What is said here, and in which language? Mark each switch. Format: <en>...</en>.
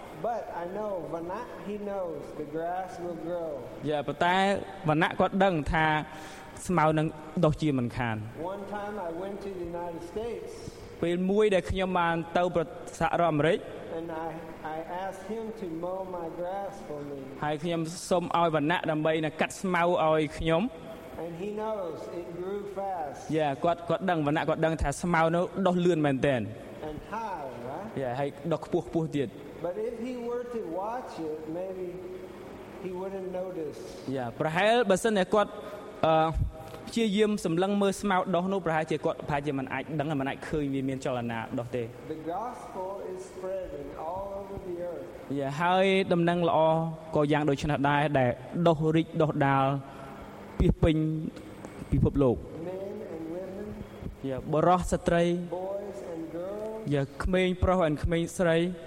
<en>But I know Vana he knows the grass will grow. Yeah, but that</en> <km>Vana គាត់ដឹងថាស្មៅនឹងដុះជាមិនខាន.</km> <en>One time I went to the United States.</en> <km>ពេលមួយដែលខ្ញុំបានទៅប្រសាទរអាមេរិក.</km> <en>And I asked him to mow my grass for me.</en> <km>ហើយខ្ញុំសុំឲ្យវណ្ណៈដើម្បីកាត់ស្មៅឲ្យខ្ញុំ.</km> <en>And he knows it grew fast.</en> <km>Yeah, គាត់ដឹងវណ្ណៈគាត់ដឹងថាស្មៅនោះដុះលឿនមែនទែន.</km> <en>And high, right?</en> <km>Yeah, ហើយដុះខ្ពស់ទៀត.</km> <en>But if he were to watch it maybe he wouldn't notice.</en> <km>Yeah, ប្រហែលបើសិនតែគាត់ព្យាយាមសម្លឹងមើលស្មៅដុះនោះប្រហែលជាគាត់ប្រហែលជាមិនអាចដឹងមិនអាចឃើញវាមានចលនាដុះទេ.</km> <en>The gospel is spreading all over the earth.</en> <km>Yeah, ហើយដំណឹងល្អក៏យ៉ាងដូចនេះដែរដែលដុះរីកដុះដាលពាសពេញពិភពលោក.</km> <en>Men and women.</en> <km>Yeah, បុរសស្ត្រី.</km> <en>Boys and girls.</en> <km>Yeah, ក្មេងប្រុសហើយក្មេងស្រី.</km>